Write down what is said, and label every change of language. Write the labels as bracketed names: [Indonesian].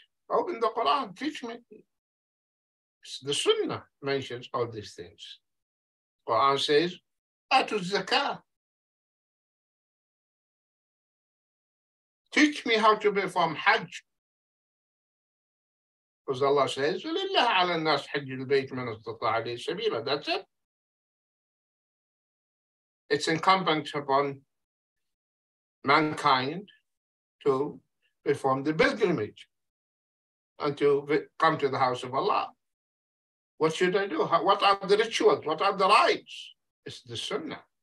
[English] Open the Quran, teach me. The Sunnah mentions all these things. Quran says, atu zakah. Teach me how to perform Hajj. Because Allah says, [Arabic] لِلَّهَ عَلَى النَّاسِ حَجِّ الْبَيْتِ مَنَ اسْتَطَاعَ عَلَيْهِ سَبِيلًا. [English] That's it. It's incumbent upon mankind to perform the pilgrimage and to come to the house of Allah. What should I do? What are the rituals? What are the rites? It's the Sunnah.